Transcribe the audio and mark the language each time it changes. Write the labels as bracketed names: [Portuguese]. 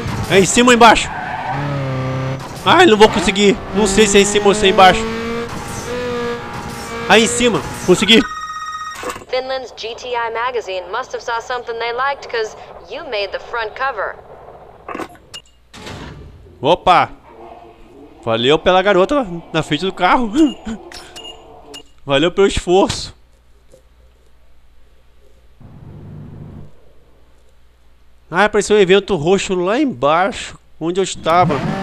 [Portuguese] É em cima ou embaixo? Ai, não vou conseguir. Não sei se é em cima ou se é embaixo. Aí em cima, consegui. [English] Finland's GTI Magazine must have saw something they liked because you made the front cover. [Portuguese] Opa! Valeu pela garota na frente do carro. Valeu pelo esforço. Ah, apareceu um evento roxo lá embaixo, onde eu estava.